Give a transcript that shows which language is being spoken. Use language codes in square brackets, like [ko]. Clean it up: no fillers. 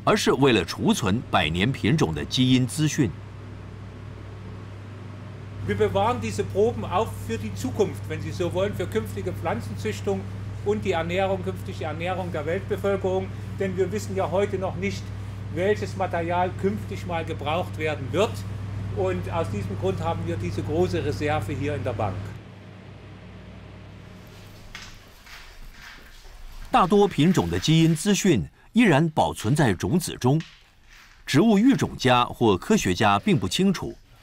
[zh] 来自全球成千上万的老种子品种，以摄氏-18度的低温存放在欧洲最大的种子银行里。这么做的用意不是为了生产粮食，而是为了储存百年品种的基因资讯。 [de] Wir bewahren diese Proben auch für die Zukunft, wenn Sie so wollen, für künftige Pflanzenzüchtung und die Ernährung, künftige Ernährung der Weltbevölkerung. Denn wir wissen ja heute noch nicht, welches Material künftig mal gebraucht werden wird. Und aus diesem Grund haben wir diese große Reserve hier in der Bank. [zh] 大多品种的基因资讯依然保存在种子中，植物育种家或科学家并不清楚。